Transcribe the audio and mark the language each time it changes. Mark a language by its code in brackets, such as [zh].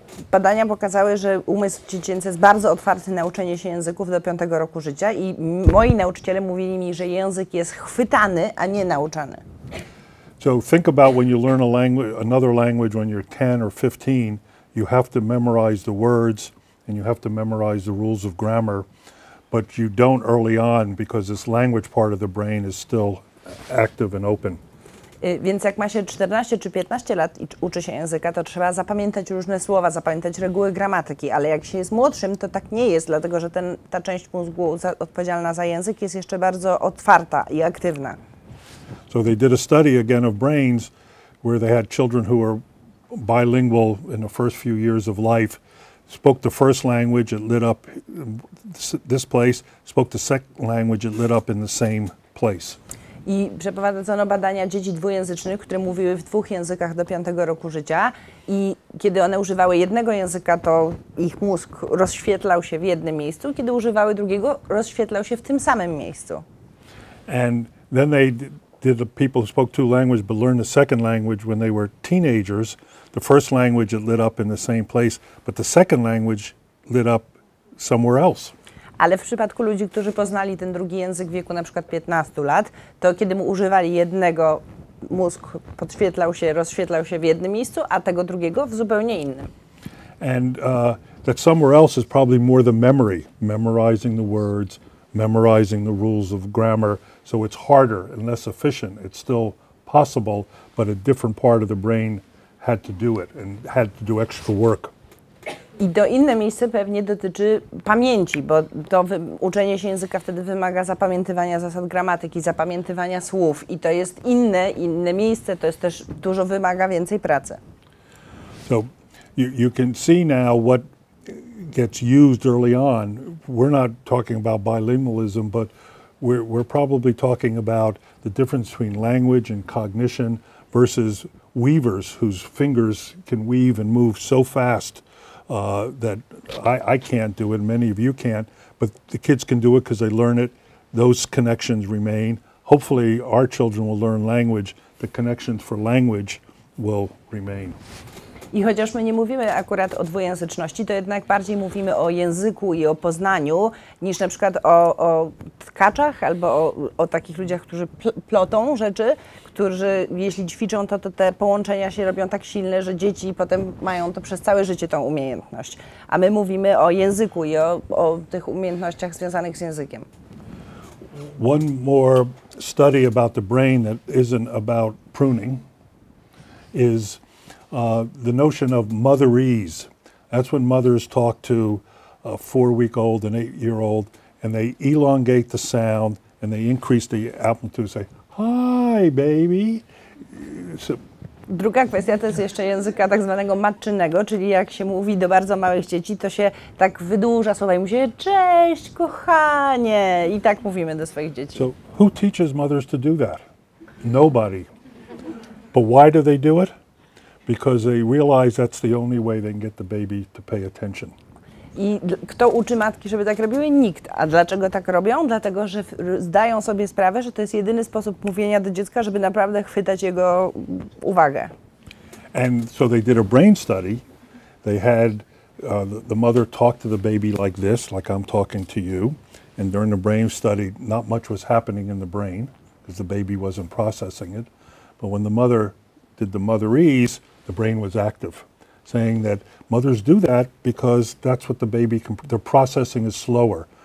[pl] Badania pokazały, że umysł dziecięcy jest bardzo otwarty na uczenie się języków do 5 roku życia i moi nauczyciele mówili mi, że język jest chwytany, a nie nauczany. [en] So think about when you learn a language, another language when you're 10 or 15, you have to memorize the words and you have to memorize the rules of grammar, but you don't early on because this language part of the brain is still active and open. [pl] Więc jak ma się 14 czy 15 lat i uczy się języka, to trzeba zapamiętać różne słowa, zapamiętać reguły gramatyki, ale jak się jest młodszym, to tak nie jest, dlatego że ta część mózgu odpowiedzialna za język jest jeszcze bardzo otwarta i aktywna. [en] So they did a study again of brains where they had children who were bilingual in the first few years of life, spoke the first language, it lit up this place, spoke the second language, it lit up in the same place. [pl] I przeprowadzono badania dzieci dwujęzycznych, które mówiły w dwóch językach do 5 roku życia i kiedy one używały jednego języka, to ich mózg rozświetlał się w jednym miejscu, kiedy używały drugiego, rozświetlał się w tym samym miejscu. [en] And then they did the people who spoke two languages but learned the second language when they were teenagers. The first language it lit up in the same place, but the second language lit up somewhere else. [pl] Ale w przypadku ludzi, którzy poznali ten drugi język w wieku na przykład 15 lat, to kiedy mu używali jednego, mózg podświetlał się, rozświetlał się w jednym miejscu, a tego drugiego w zupełnie innym. [en] And that somewhere else is probably more the memory, memorizing the words, memorizing the rules of grammar. So it's harder and less efficient. It's still possible, but a different part of the brain had to do it and had to do extra work. [pl] I to inne miejsce pewnie dotyczy pamięci, bo to uczenie się języka wtedy wymaga zapamiętywania zasad gramatyki, zapamiętywania słów i to jest inne miejsce, to jest też dużo wymaga więcej pracy. [en] So you can see now what gets used early on. We're not talking about bilingualism, but we're probably talking about the difference between language and cognition versus weavers whose fingers can weave and move so fast. That I can't do it, many of you can't, but the kids can do it because they learn it. Those connections remain. hopefully our children will learn language, the connections for language will remain. [pl] I chociaż my nie mówimy akurat o dwujęzyczności, to jednak bardziej mówimy o języku i o poznaniu niż na przykład o tkaczach albo o takich ludziach, którzy plotą rzeczy, którzy jeśli ćwiczą, to te połączenia się robią tak silne, że dzieci potem mają to przez całe życie, tą umiejętność. A my mówimy o języku i o tych umiejętnościach związanych z językiem. [en] One more study about the brain that isn't about pruning is the notion of mother-ease. That's when mothers talk to a four-week-old, an eight-year-old, and they elongate the sound and they increase the amplitude, say, hi, baby. [pl] So, druga kwestia to jest jeszcze języka tak zwanego matczynego, czyli jak się mówi do bardzo małych dzieci, to się tak wydłuża słowa i mówi się, cześć, kochanie, i tak mówimy do swoich dzieci. [en] So, who teaches mothers to do that? Nobody. But why do they do it? Because they realize that's the only way they can get the baby to pay attention. [pl] I kto uczy matki, żeby tak robiły? Nikt. A dlaczego tak robią? Dlatego, że zdają sobie sprawę, że to jest jedyny sposób mówienia do dziecka, żeby naprawdę chwytać jego uwagę. [en] And so they did a brain study. They had the mother talk to the baby like this, like I'm talking to you. And during the brain study, not much was happening in the brain because the baby wasn't processing it. But when the mother did the mother ease, the brain was active, saying that mothers do that because that's what the baby, their processing is slower.